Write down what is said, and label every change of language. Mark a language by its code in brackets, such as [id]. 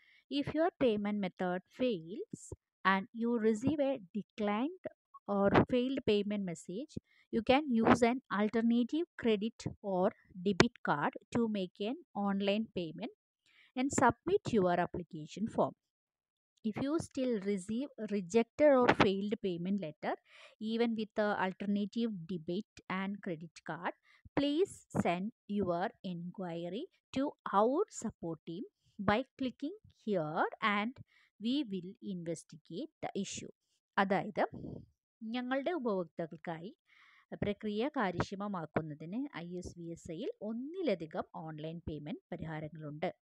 [en] If your payment method fails and you receive a declined or failed payment message, you can use an alternative credit or debit card to make an online payment and submit your application form. If you still receive rejected or failed payment letter, even with the alternative debit and credit card, please send your inquiry to our support team by clicking here and we will investigate the issue. [ml] അതായത് ഞങ്ങളുടെ ഉപഭോക്താക്കൾക്കായി പ്രക്രിയ കാര്യക്ഷമമാക്കുന്നതിന് ISVSC-യിൽ ഒന്നിലധികം online payment പരിഹാരങ്ങളുണ്ട്.